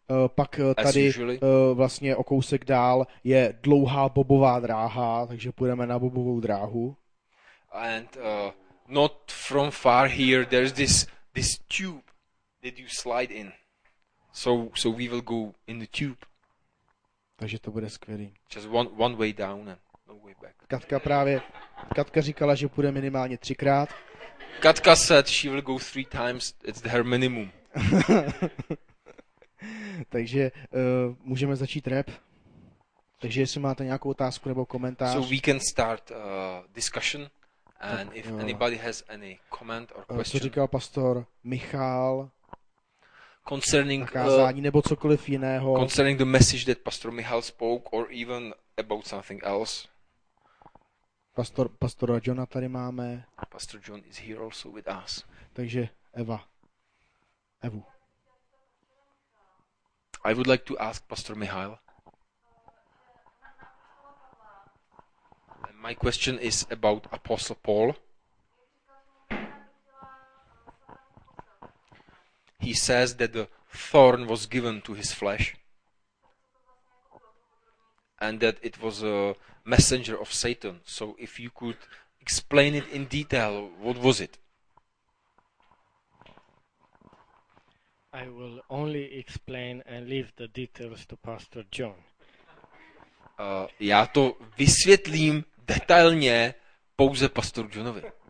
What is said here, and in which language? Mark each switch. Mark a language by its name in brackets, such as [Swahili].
[Czech] Pak tady vlastně o kousek dál je dlouhá bobová dráha, takže půjdeme na bobovou dráhu. [English] And not from far here there's this tube that you slide in. So we will go in the tube. [Czech] Takže to bude skvělý. [English] Just one way down and no way back. [Czech] Katka říkala, že půjde minimálně třikrát. [English] Katka said she will go three times, it's her minimum. [Czech] Takže můžeme začít rap. Takže jestli máte nějakou otázku nebo komentář. [English] So we can start discussion and [Czech] tak, [English] if anybody has any comment or question. [Czech] Co říkal pastor Michal? [English] concerning [Czech] kázání nebo cokoliv jiného. [English] Concerning the message that Pastor Michal spoke or even about something else. [Czech] Pastora Johna tady máme. [English] Pastor John is here also with us. [Czech] Takže Eva. Evu. [English] I would like to ask Pastor Michal. My question is about Apostle Paul. He says that the thorn was given to his flesh and that it was a messenger of Satan. So if you could explain it in detail, what was it? I will only explain and leave the details to Pastor John. [Czech] Já to vysvětlím detailně pouze Pastor Johnovi.